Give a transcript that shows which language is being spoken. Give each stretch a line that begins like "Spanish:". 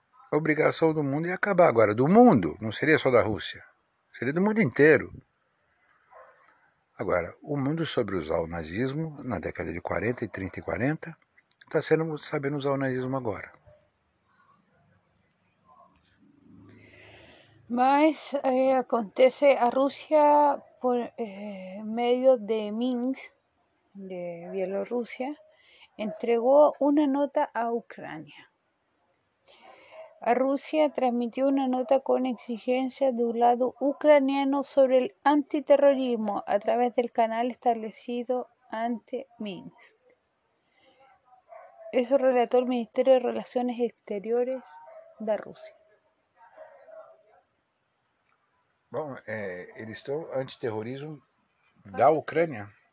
Portuguese: A obrigação do mundo é acabar agora. Do mundo, não seria só da Rússia. Seria do mundo inteiro. Agora, o mundo soube usar o nazismo na década de 40 e 30 e 40. Está sendo sabendo usar o nazismo agora. Mas acontece
Spanish: a Rusia por medio de Minsk, de Bielorrusia, entregó una nota a Ucrania. A Rusia transmitió una nota con exigencias de un lado ucraniano sobre el antiterrorismo a través del canal establecido ante Minsk. Eso relató el Ministerio de Relaciones Exteriores de Rusia.
Portuguese: Bom, eles estão antiterrorismo da Ucrânia.